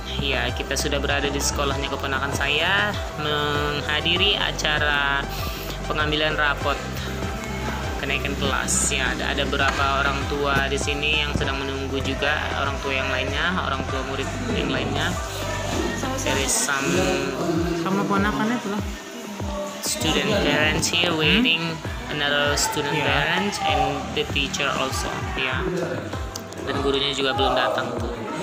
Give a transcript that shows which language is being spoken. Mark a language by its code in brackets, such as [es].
[id] Ya, kita sudah berada di sekolahnya keponakan saya menghadiri acara pengambilan rapot kenaikan kelas. Ya, ada beberapa orang tua di sini yang sedang menunggu juga orang tua yang lainnya, orang tua murid yang lainnya. [en] There is some [id] keponakannya tuh. [en] Student parents here waiting, another student parents and the teacher also. Ya. Yeah. [id] Dan gurunya juga belum datang tuh.